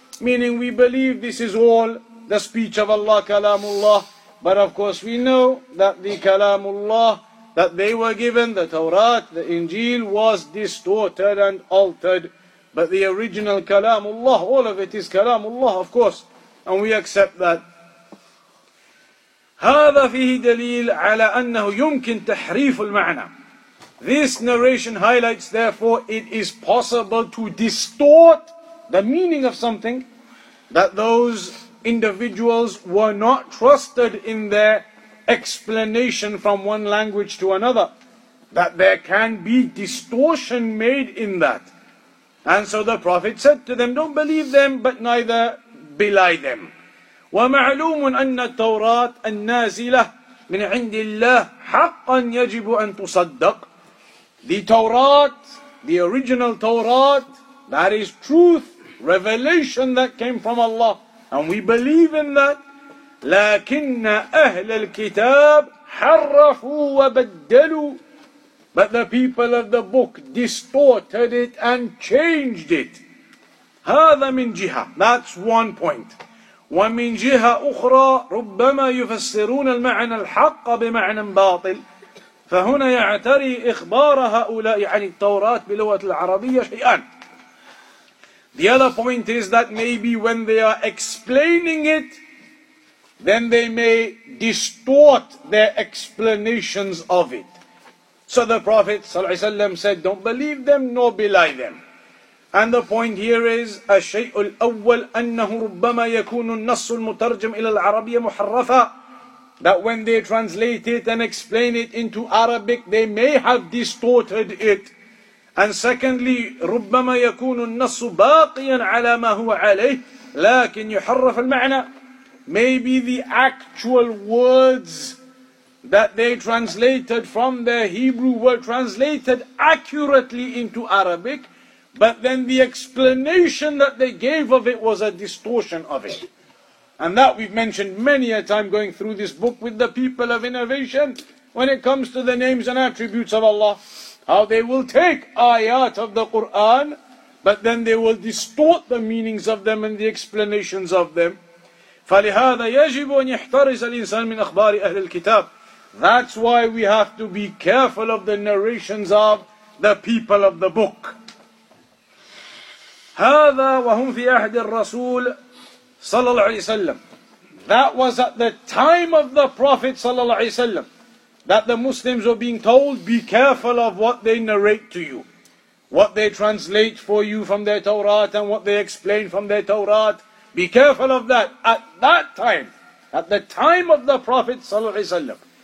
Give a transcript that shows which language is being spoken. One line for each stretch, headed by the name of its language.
English: Meaning we believe this is all the speech of Allah, Kalamullah. But of course we know that the Kalamullah that they were given, the Torah, the Injil, was distorted and altered. But the original Kalamullah, all of it is Kalamullah, of course. And we accept that.
Arabic: هذا فيه دليل على أنه يمكن تحريف المعنى.
English: This narration highlights, therefore, it is possible to distort the meaning of something, that those individuals were not trusted in their explanation from one language to another, that there can be distortion made in that. And so the Prophet said to them, don't believe them, but neither belie them.
Arabic: وَمَعْلُومٌ أَنَّ التَّوْرَاةَ النَّازِلَةَ مِنْ عِنْدِ اللَّهِ حَقًّا يَجِبُ أَنْ تُصَدَّقْ.
English: The Torah, the original Torah, that is truth, revelation that came from Allah. And we believe in that.
Arabic: لَكِنَّ أَهْلَ الْكِتَابِ حَرَّفُوا وَبَدَّلُوا.
English: But the people of the book distorted it and changed it.
Arabic: هذا من جهة.
English: That's one point.
Arabic: ومن جهة أخرى ربما يفسرون المعنى الحق بمعنى باطل. فهنا يعتري إخبار هؤلاء عن التوراة بلغة العربية شيئا.
English: The other point is that maybe when they are explaining it, then they may distort their explanations of it. So the Prophet ﷺ said, don't believe them nor belie them. And the point here is,
Arabic: الشيء الأول أنه ربما يكون النص المترجم إلى العربية محرفا.
English: That when they translate it and explain it into Arabic, they may have distorted it. And secondly,
Arabic: ربما يكون النص باقيا على ما هو عليه, لكن يحرف المعنى.
English: Maybe the actual words that they translated from their Hebrew were translated accurately into Arabic, but then the explanation that they gave of it was a distortion of it. And that we've mentioned many a time going through this book with the people of innovation, when it comes to the names and attributes of Allah, how they will take ayat of the Quran, but then they will distort the meanings of them and the explanations of them.
Arabic: فَلِهَذَا يَجِبُ أَنْ يَحْتَرِزَ الْإِنسَانِ مِنْ أَخْبَارِ أَهْلِ الْكِتَابِ.
English: That's why we have to be careful of the narrations of the people of the book.
Arabic: هذا وهم في عهد الرسول صلى الله عليه وسلم.
English: That was at the time of the Prophet
Arabic: صلى الله عليه وسلم
English: that the Muslims were being told, be careful of what they narrate to you, what they translate for you from their Torah and what they explain from their Torah. Be careful of that. At that time, at the time of the Prophet
Arabic: صلى الله عليه وسلم.